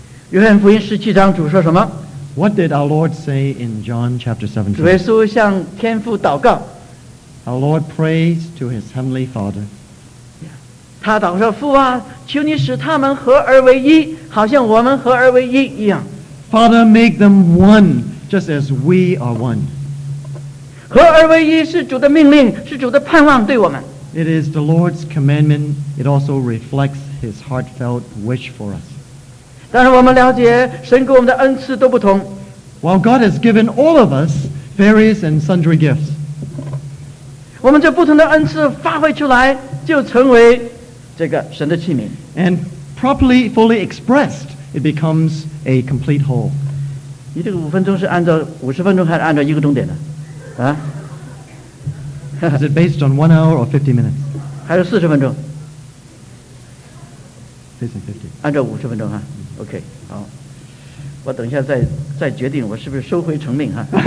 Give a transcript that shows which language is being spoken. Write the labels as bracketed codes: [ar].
[zh] 约翰福音十七章主说什么？ [en] What did our Lord say in John chapter 17? [zh] 主耶稣向天父祷告。 [en] Our Lord prays to his heavenly Father. [zh] 他祷告说，父啊，求你使他们合而为一，好像我们合而为一一样。 [en] Father, make them one, just as we are one. [zh] 合而为一是主的命令，是主的盼望对我们。 [en] It is the Lord's commandment. It also reflects His heartfelt wish for us. [zh] 但是我们了解，神给我们的恩赐都不同。 [en] While God has given all of us various and sundry gifts, [zh] 我们这不同的恩赐发挥出来，就成为这个神的器皿。 [en] And properly, fully expressed, it becomes a complete whole. [zh] 你这个五分钟是按照五十分钟，还是按照一个钟点的？啊？ [en] Is it based on 1 hour or 50 minutes? [zh] 还是四十分钟？ [en] Based on 50. [zh] 按照五十分钟哈。 OK， 好，我等一下再决定我是不是收回成命哈。